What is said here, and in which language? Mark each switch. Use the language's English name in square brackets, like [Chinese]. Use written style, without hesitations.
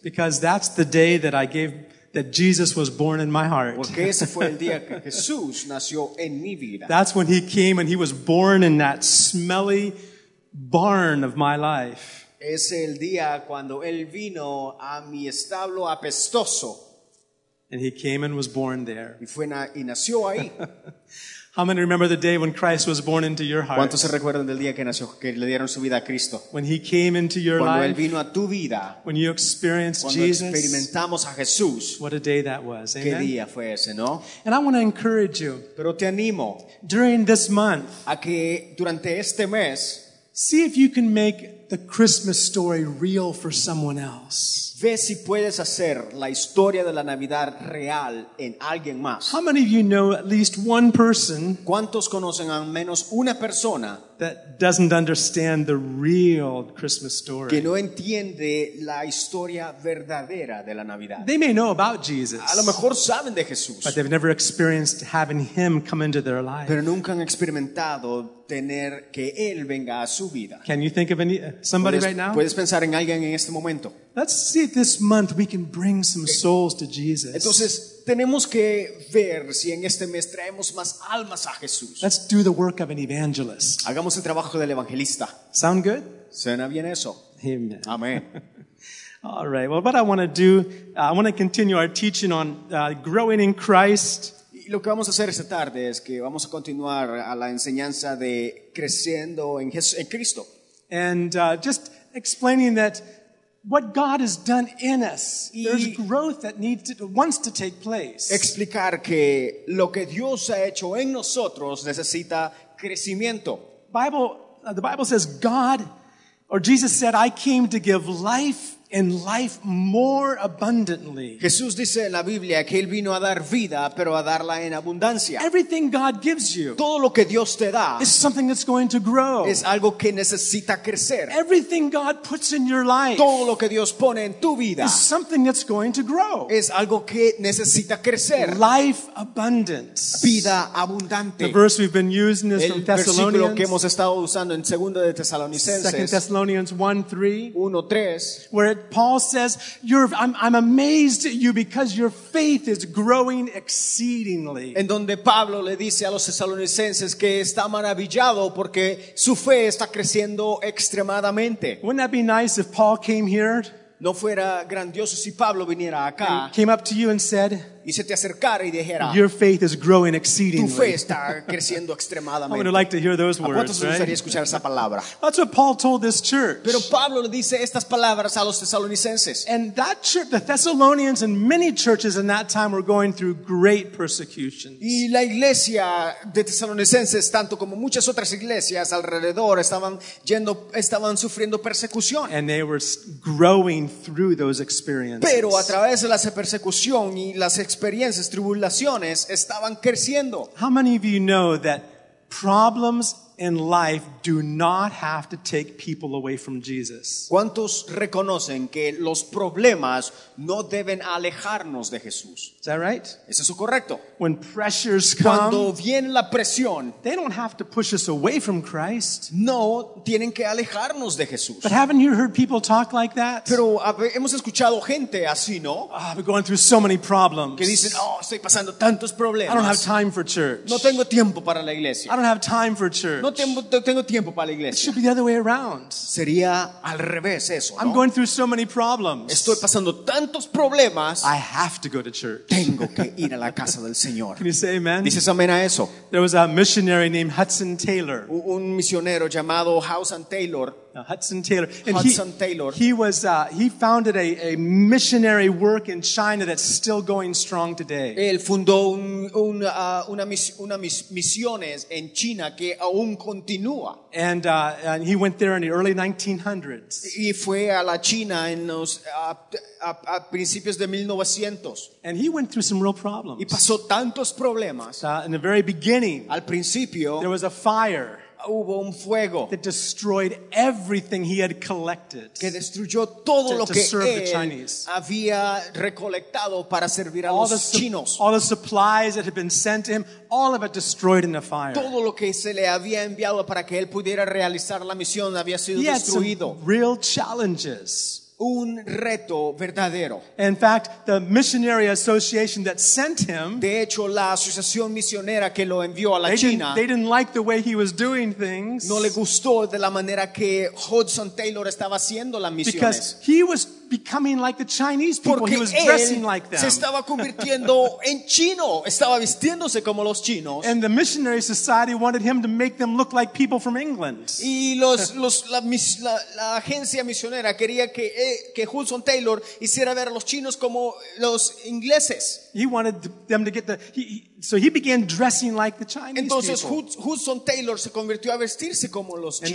[English] Because that's the day that I gave, that Jesus was born in my heart. [Spanish] Porque ese fue el día que Jesús nació en mi vida. [English] That's when he came and he was born in that smelly barn of my life. [Spanish] Es el día cuando él vino a mi establo apestoso. [English] And he came and was born there. [Spanish] Y fue y nació ahí. [English] How many remember the day when Christ was born into your heart? [Spanish] ¿Cuántos se recuerdan del día que nació, que le dieron su vida a Cristo? [English] When he came into your [Spanish] cuando [English] life. [Spanish] Cuando él vino a tu vida. [English] When you experienced [Spanish] cuando [English] Jesus. [Spanish] Cuando experimentamos a Jesús. [English] What a day that was. [Spanish] ¿Qué [English] amen? [Spanish] Día fue ese, ¿no? [English] And I want to encourage you. [Spanish] Pero te animo. [English] During this month. [Spanish] A que durante este mes. [English] See if you can make the Christmas story real for someone else. [Spanish] Ve si puedes hacer la historia de la Navidad real en alguien más. [English] How many of you know at least one person? [Spanish] ¿Cuántos conocen al menos una persona [English] that doesn't understand the real Christmas story? [Spanish] Que no entiende la historia verdadera de la Navidad. [English] They may know about Jesus. [Spanish] A lo mejor saben de Jesús. [English] But they've never experienced having him come into their life. [Spanish] Pero nunca han experimentado tener que él venga a su vida. [English] Can you think of any somebody [Spanish] puedes, [English] right now? [Spanish] ¿Puedes pensar en alguien en este momento? [English] Let's see if this month we can bring some souls to Jesus. [Spanish] Entonces, tenemos que ver si en este mes traemos más almas a Jesús. [English] Let's do the work of an evangelist. [Spanish] Hagamos el trabajo del evangelista. [English] Sound good? [Spanish] ¿Suena bien eso? [English] Amen. [Spanish] Amen. [English] All right. Well, what I want to do, I want to continue our teaching on growing in Christ. [Spanish] Y lo que vamos a hacer esta tarde es que vamos a continuar a la enseñanza de creciendo en, Jesús, en Cristo. [English] And just explaining that what God has done in us, there's growth that needs to, wants to take place. [Spanish] Explicar que lo que Dios ha hecho en nosotros necesita crecimiento. [English] The Bible says God, or Jesus said, I came to give life and life more abundantly. [Spanish] Jesús dice en la Biblia que él vino a dar vida, pero a darla en abundancia. [English] Everything God gives you, [Spanish] todo lo que Dios te da, [English] is something that's going to grow. [Spanish] Es algo que necesita crecer. [English] Everything God puts in your life, [Spanish] todo lo que Dios pone en tu vida, [English] is something that's going to grow. [Spanish] Es algo que necesita crecer. [English] Life abundance, [Spanish] vida abundante. [English] The verse we've been using is [Spanish] el [English] from Thessalonians. [Spanish] El versículo que hemos estado usando en segunda de Tesalonicenses. [English] 2 Thessalonians 1:3. Where Paul says, I'm amazed at you because your faith is growing exceedingly. [Spanish] En donde Pablo le dice a los tesalonicenses que está maravillado porque su fe está creciendo extremadamente. [English] Wouldn't that be nice if Paul came here? [Spanish] No fuera grandioso si Pablo viniera acá. [English] And came up to you and said, [Spanish] y se te acercara y dijera, [English] your faith is growing exceedingly. [Spanish] Tu fe está creciendo extremadamente. [English] I would like to hear those words, right? [Spanish] ¿A cuántos les gustaría escuchar esa palabra? [English] That's what Paul told this church. [Spanish] Pero Pablo le dice estas palabras a los tesalonicenses. [English] And that church, the Thessalonians and many churches in that time were going through great persecutions. [Spanish] Y la iglesia de tesalonicenses, tanto como muchas otras iglesias alrededor, estaban sufriendo persecución. [English] And they were growing through those experiences. [Spanish] Pero a través de la persecución y las experiencias, tribulaciones estaban creciendo. [English] How many of you know that problems in life do not have to take people away from Jesus? [Spanish] ¿Cuántos reconocen que los problemas no deben alejarnos de Jesús? [English] Is that right? [Spanish] ¿Es eso correcto? [English] When pressures come, [Spanish] cuando viene la presión, [English] they don't have to push us away from Christ. [Spanish] No, tienen que alejarnos de Jesús. [English] But haven't you heard people talk like that? [Spanish] Pero hemos escuchado gente así, ¿no? [English] Oh, I've been going through so many problems. [Spanish] Que dicen, oh, estoy pasando tantos problemas. [English] I don't have time for church. [Spanish] No tengo tiempo para la iglesia. [English] I don't have time for church. [Spanish] No tengo tiempo para la iglesia. [English] It should be the other way around. [Spanish] Sería al revés eso, ¿no? [English] I'm going through so many problems. [Spanish] Estoy pasando tantos problemas. [English] I have to go to church. [Spanish] Tengo que ir a la casa del Señor. [English] Can you say amen? [Spanish] ¿Dices amén a eso? [English] There was a missionary named Hudson Taylor. [Spanish] Un misionero llamado Hudson Taylor. [English] Hudson Taylor. And Hudson Taylor. He founded a missionary work in China that's still going strong today. [Spanish] Él fundó unas misiones en China que aún continúa. [English] And he went there in the early 1900s. [Spanish] Y fue a la China en los a principios de 1900. [English] And he went through some real problems. [Spanish] Y pasó tantos problemas. [English] In the very beginning, [Spanish] al principio, [English] there was a fire. [Spanish] hubo un fuego [English] that destroyed everything he had collected [Spanish] que destruyó todo lo que él había recolectado para servir a los chinos. [English] All the supplies that had been sent to him, all of it destroyed in the fire. [Spanish] Todo lo que se le había enviado para que él pudiera realizar la misión había sido destruido. [English] Some real challenges. [Spanish] Un reto verdadero. [English] In fact, the missionary association that sent him, [Spanish] de hecho, la asociación misionera que lo envió a la China, [English] they didn't like the way he was doing things. [Spanish] No le gustó de la manera que Hudson Taylor estaba haciendo las misiones. [English] Because he was becoming like the Chinese people. [Spanish] Porque [English] he was dressing like them. [Spanish] Se estaba convirtiendo en chino. Estaba vistiéndose como los chinos. [English] And the missionary society wanted him to make them look like people from England. [Spanish] Y la agencia misionera quería que Hudson Taylor hiciera ver a los chinos como los ingleses. [English] He wanted them to get so he began dressing like the Chinese. [Spanish] Entonces, [English] people. [Spanish] Hudson Taylor se convirtió a vestirse como los chinos.